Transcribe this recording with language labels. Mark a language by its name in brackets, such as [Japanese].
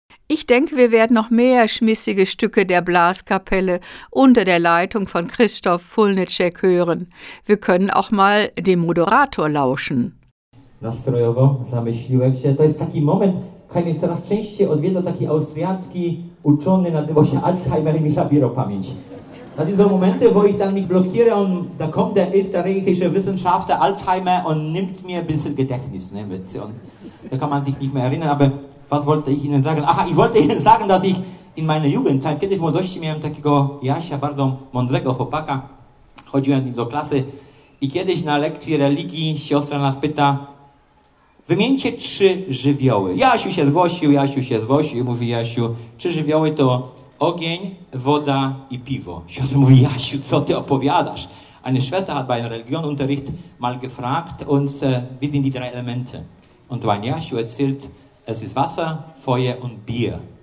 [German] ich denke, wir werden noch mehr schmissige Stücke der Blaskapelle unter der Leitung von Christoph Fulnicek hören. Wir können auch mal dem Moderator lauschen. [Polish] Nastrojowo znamy Siłęcie. To jest taki moment, który coraz częściej odwiedza taki austriacki uczony, nazywa się Alzheimer i mi zabiera pamięć. [German] Das sind so Momente, wo ich dann mich blockiere und da kommt der österreichische Wissenschaftler Alzheimer und nimmt mir ein bisschen Gedächtnis. Ne? Und da kann man sich nicht mehr erinnern, aber was wollte ich Ihnen sagen? Aha, ich wollte Ihnen sagen, dass ich in meiner Jugendzeit, [Polish] kiedyś w młodości miałem takiego Jasia, bardzo mądrego chłopaka, chodziłem do klasy i kiedyś na lekcji religii siostra nas pyta, wymieńcie trzy żywioły. Jasiu się zgłosił i mówi, Jasiu, trzy żywioły to ogień, woda i piwo. Siostra mówi, Jasiu, co ty opowiadasz? [German] Eine Schwester hat bei einem Religionunterricht mal gefragt uns, wie sind die drei Elemente? Und mein Jasiu erzählt, es ist Wasser, Feuer und Bier.